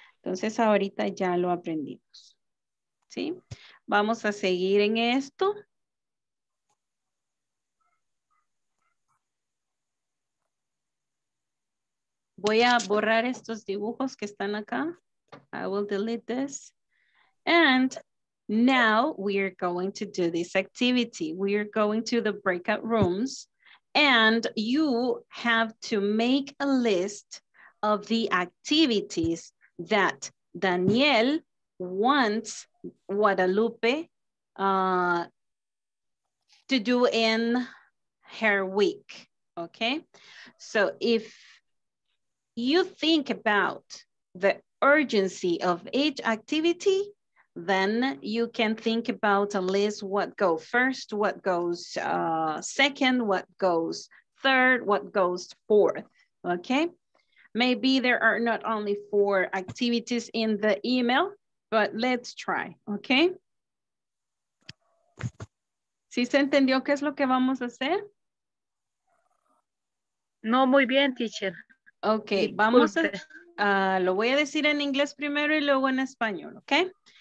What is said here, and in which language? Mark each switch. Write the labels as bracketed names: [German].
[Spanish] Entonces ahorita ya lo aprendimos. ¿Sí? Vamos a seguir en esto. Voy a borrar estos dibujos que están acá. [English] I will delete this. And now we are going to do this activity. We are going to the breakout rooms and you have to make a list of the activities that Daniel wants Guadalupe to do in her week. Okay? So if you think about the urgency of each activity, then you can think about a list, what goes first, what goes second, what goes third, what goes fourth, okay? Maybe there are not only four activities in the email, but let's try, okay? [Spanish] ¿Sí se entendió qué es lo que vamos a hacer? No muy bien, teacher. Okay, vamos a, lo voy a decir en inglés primero y luego en español, okay?